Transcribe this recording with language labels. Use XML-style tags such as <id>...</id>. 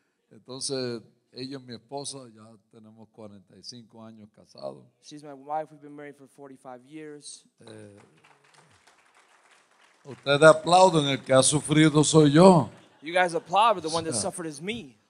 <es>Entonces, ella es mi esposa, ya tenemos 45 años casados.</es> <en>She's my wife, we've been married for 45 years.</en> <es>Ustedes aplauden, el que ha sufrido soy yo.</es> <en>You guys applaud, but the one that suffered is me.</en>